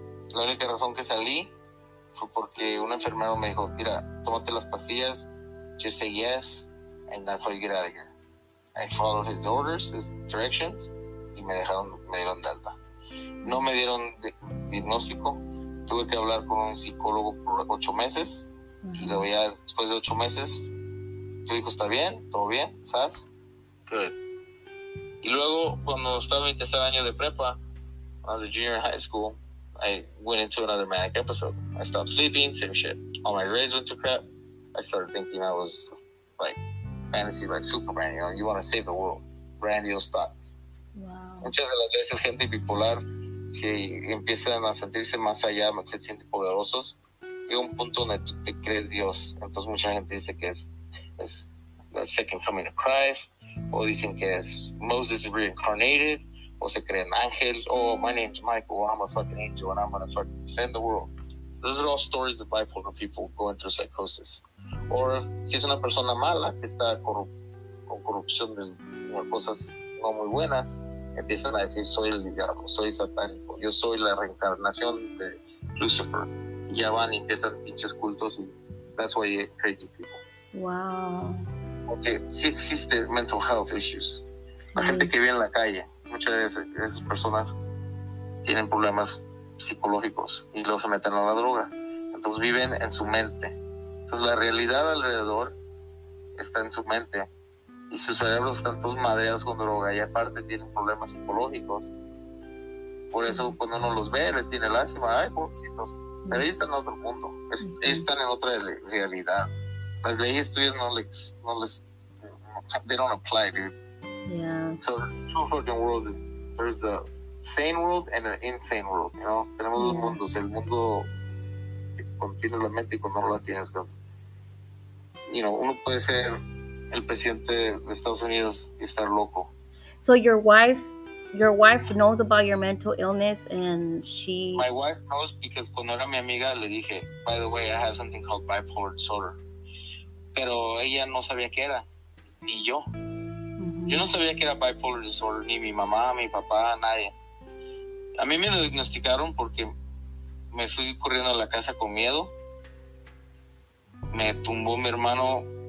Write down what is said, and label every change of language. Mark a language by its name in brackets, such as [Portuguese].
[Spanish] La única razón que salí fue porque un enfermero me dijo, mira, tómate las pastillas. [English] Just say yes, and that's how you get out of here. I followed his orders, his directions, [Spanish] y me dieron de alta. No me dieron diagnóstico. Tuve que hablar con un psicólogo por 8 meses. Y luego ya después de 8 meses tu hijo está bien, todo bien, ¿sabes? [English] Good. [Spanish] Y luego cuando estaba en mi tercer año de prepa, [English] I was a junior in high school, I went into another manic episode. I stopped sleeping, same shit. All my grades went to crap. I started thinking I was like fantasy, like Superman, you know, you want to save the world. Grandiose thoughts. Wow. [Spanish] Muchas de las veces gente bipolar, si empiezan a sentirse más allá, se sienten poderosos. Y un punto donde tú te crees Dios. Entonces mucha gente dice que es [English] the second coming of Christ, [Spanish] o dicen que es [English] Moses reincarnated, [Spanish] o se creen ángeles. [English] Oh, my name's Michael, I'm a fucking angel and I'm gonna fucking defend the world. Those are all stories of bipolar people going through psychosis. [Spanish] Or si es una persona mala que está con corrupción de cosas no muy buenas, empiezan a decir soy el diablo, soy satánico, yo soy la reencarnación de Lucifer. Ya van y empiezan pinches cultos y [English] that's why you're crazy people. Wow. [Spanish] Okay, sí existe [English] mental health issues. [Spanish] Sí. La gente que vive en la calle, muchas de esas personas tienen problemas psicológicos y luego se meten a la droga. Entonces viven en su mente. Entonces la realidad alrededor está en su mente y sus cerebros están todos madreados con droga y aparte tienen problemas psicológicos. Por eso cuando uno los ve, le tiene lástima, ay, pobrecitos. Pero ellos están en otro mundo, ellos están en otra realidad. Las leyes tuyas no les [English] they don't apply, dude. Yeah. So two fucking worlds. There's the sane world and the insane world, you know? [Spanish] Tenemos dos mundos, el mundo cuando tienes la mente y cuando no la tienes, cosa. [English] You know, [Spanish] uno puede ser el presidente de Estados Unidos y estar loco. [English] So your wife knows about your mental illness and she... My wife knows because [Spanish] cuando era mi amiga le dije, [English] by the way, I have something called bipolar disorder. [Spanish] Pero ella no sabía qué era, ni yo. Mm-hmm. Yo no sabía qué era bipolar disorder, ni mi mamá, mi papá, nadie. A mí me diagnosticaron porque me fui corriendo a la casa con miedo. Me tumbó mi hermano.